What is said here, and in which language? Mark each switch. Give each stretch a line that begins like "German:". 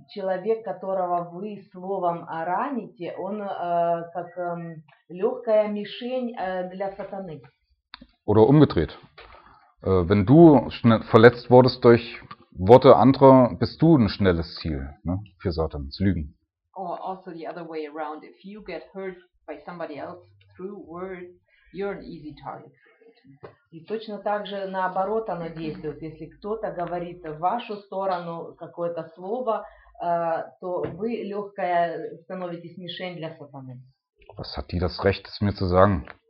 Russian: Человек, которого вы словом раните, он как легкая мишень для сатаны.
German: Oder umgedreht. Wenn du verletzt wurdest durch Worte anderer, bist du ein schnelles Ziel, ne, für Satan, zu lügen.
English: Or also the other way around. If you get hurt by somebody else through words, you're an easy target.
Russian: И точно так же наоборот оно действует. Если кто-то говорит в вашу сторону какое-то слово, то вы легкая становитесь мишень для сатаны.
German: Was hat die das Recht, es mir zu sagen?